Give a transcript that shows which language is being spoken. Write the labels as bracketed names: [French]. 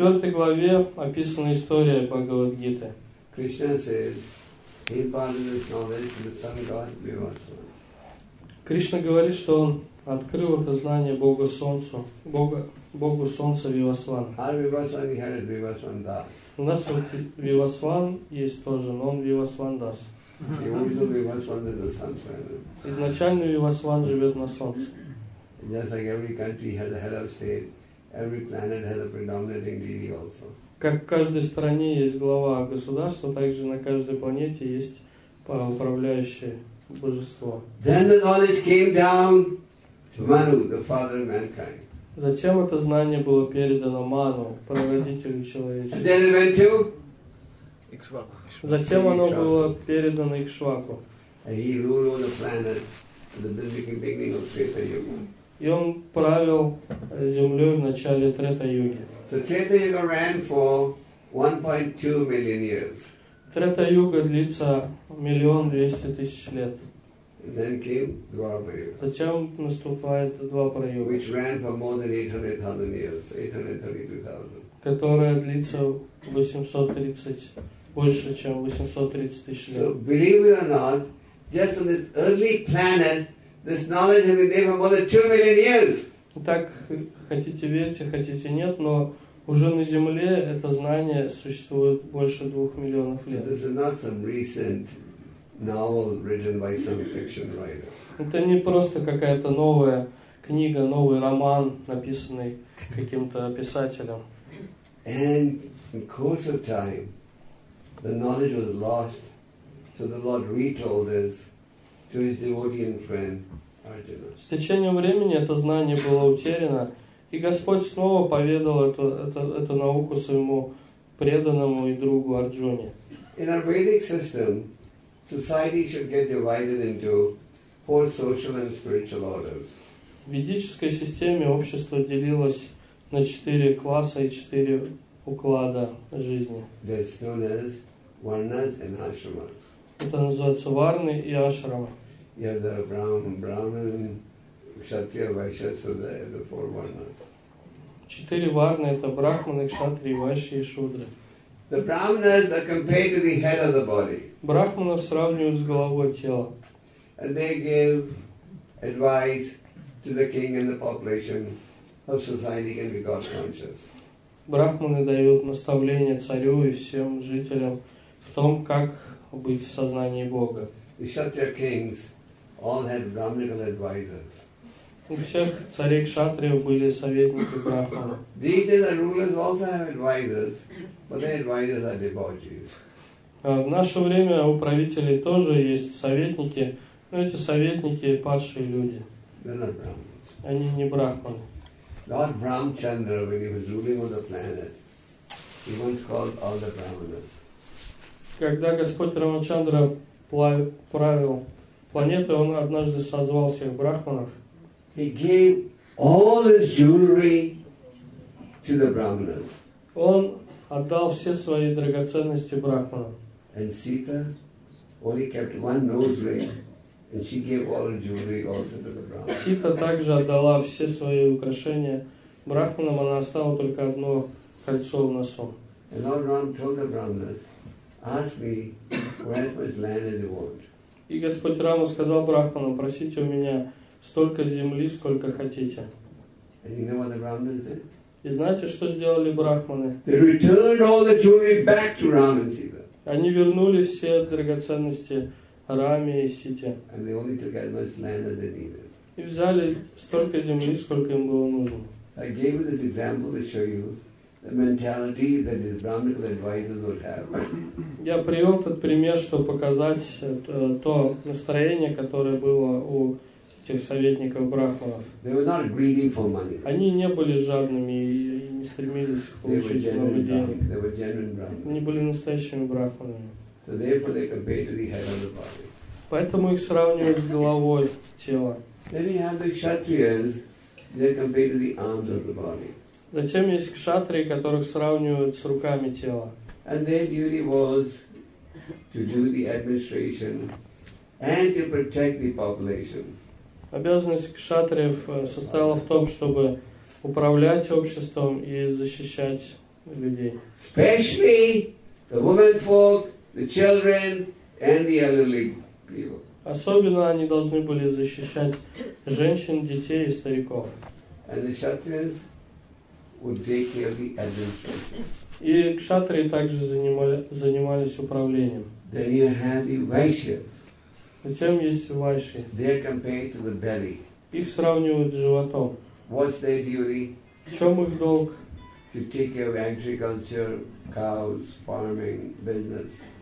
[Russian] В 4 главе описана история Бхагавад-гиты. [English] Krishna says, he imparted this knowledge to the Sun God Vivasana. [Russian] Кришна говорит, что он открыл это знание Богу Солнцу, Богу Солнца Вивасвана. [English] Our Vivasvan here is Vivasvan Das. [Russian] У нас вот Вивасван есть тоже, но он Вивасван Дас. [English] He was Vivasvan in the Sun planet. [Russian] Изначально Вивасван живет на Солнце. [English] Just like every country has a head of state, every planet has a predominating deity also. [Russian] Как в каждой стране есть глава государства, также на каждой планете есть управляющее божество. [English] Then the knowledge came down to Manu, the father of mankind. [Russian] Затем это знание было передано Ману, прародителю человечества. [English] And then it went to Ikshvaku. [Russian] Затем оно было передано Ikshvaku. [English] And he ruled over the planet at the beginning of Treta Yuga. [Russian] И он правил Землей в начале Трета-юги. [English] So Treta-yuga ran for 1.2 million years. [Russian] Трета-юга длится 1,200,000 лет. [English] Then came Двапара-юга. [Russian] Затем наступает Двапара-юга. [English] Which ran for more than 800,000 years, 832,000. [Russian] Которая длится 830, больше, чем 830,000 лет. [English] So believe it or not, just on this early planet, this knowledge has been there for more than 2 million years. [Russian] Так, хотите верьте, хотите нет, но уже на Земле это знание существует больше 2 миллионов лет. [English] So this is not some recent novel written by some fiction writer. [Russian] Это не просто какая-то новая книга, новый роман, написанный каким-то писателем. [English] And in course of time, the knowledge was lost, so the Lord retold this to his devotee and friend Arjuna. [Russian] С течением времени это знание было утеряно, и Господь снова поведал эту науку своему преданному и другу Арджуне. [English] In our Vedic system, society should get divided into 4 social and spiritual orders. [Russian] В ведической системе общество делилось на 4 класса и 4 уклада жизни. [English] That's known as varnas and ashramas. [Russian] Это называется варны и ашрамы. [English] You have the Brahman, Kshatriya, Vaishya, so the four varnas. [Russian] Четыре варны – это брахманы, кшатри, вайши и шудры. [English] The brahmanas are compared to the head of the body. [Russian] Брахманов сравнивают с головой тела. [English] And they give advice to the king and the population of society can be God conscious. [Russian] Брахманы дают наставление царю и всем жителям в том, как быть в сознании Бога. [English] The kshatriya kings all had brahmanical advisors. [Russian] У всех царей кшатриев были советники брахманы. [English] These are rulers also have advisors, but their advisors are devotees. [Russian] В наше время у правителей тоже есть советники, но эти советники падшие люди. [English] They're not brahmins. [Russian] Они не брахманы. [English] Lord Brahmachandra, when he was ruling on the planet, he once called all the brahmanas. [Russian] Когда Господь Рамачандра правил планетой, он однажды созвал всех брахманов. [English] He gave all his jewelry to the brahmanas. [Russian] Он отдал все свои драгоценности брахманам. [English] And Sita only kept one nose ring. And she gave all her jewelry also to the brahmanas. [Russian] Сита также отдала все свои украшения брахманам, она оставила только одно кольцо в носу. [English] And Lord Ram told the brahmanas, ask me for as much land as you want. [Russian] И Господь Рама сказал брахманам, просите у меня столько земли, сколько хотите. [English] And you know what the brahmanas did? [Russian] И знаете, что сделали брахманы? [English] They returned all the jewelry back to Ram and Sita. [Russian] Они вернули все драгоценности Раме и Сите. [English] And they only took as much land as they needed. [Russian] И взяли столько земли, сколько им было нужно. [English] I gave you this example to show you the mentality that these brahmanical advisors would have. [Russian] Я привел этот пример, чтобы показать то настроение, которое было у тех советников брахманов. [English] They were not greedy for money. [Russian] Они не были жадными и не стремились получить много денег. [English] They were genuine brahmanas. [Russian] Они были настоящими брахманами. [English] So therefore, they compare to the head of the body. [Russian] Поэтому их сравнивают с головой тела. [English] Then you have the kshatriyas, they compare to the arms of the body. [Russian] Затем есть кшатри, которых сравнивают с руками тела. [English] And their duty was to do the administration and to protect the population. [Russian] Обязанность кшатриев состояла в том, чтобы управлять обществом и защищать людей. [English] Especially the women folk. The children and the elderly people. [Russian] Особенно они должны были защищать женщин, детей и стариков. [English] And the kshatriyas would take care of the administration. [Russian] И кшатри также занимались управлением. [English] Then you have the vaishyas. [Russian] Затем есть вайши. [English] They are compared to the belly. [Russian] Их сравнивают с животом. [English] What's their duty? [Russian] В чем их долг? [English] To take care of agriculture, cows, farming, business.